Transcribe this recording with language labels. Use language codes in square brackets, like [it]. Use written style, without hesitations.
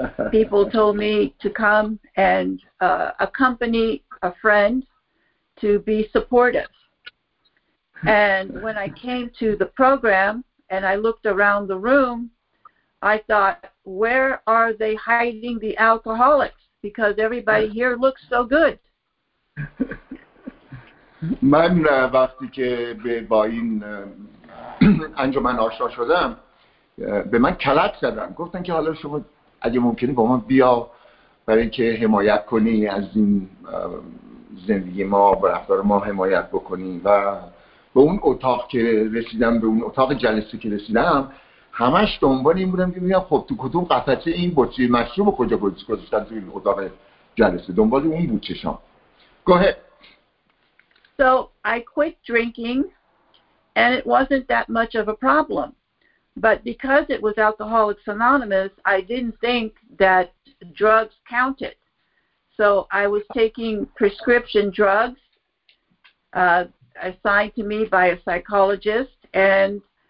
[en] People told me to come and accompany a friend to be supportive. And when I came to the program and I looked around the room, I thought, where are they hiding the alcoholics? Because everybody here looks so good. [fa] من وقتی که با این انجمن آشنا شدم به من کلک زدن، گفتن که حالا شما اگه ممکنه با ما بیا برای اینکه حمایت کنی از این زندگی ما و رفتار ما حمایت بکنی. و به اون اتاق که رسیدم، به اون اتاق جلسه که رسیدم، همش دنبال این بودم که ببینم خب تو کدوم قفسه این بطری مشروب کجا گذاشتن تو این اتاق جلسه، دنبال اون بود چشام. [en] Go ahead. So I quit drinking, and it wasn't that much of a problem. But because it was Alcoholics Anonymous, I didn't think that drugs counted. So I was taking prescription drugs assigned to me by a psychologist, and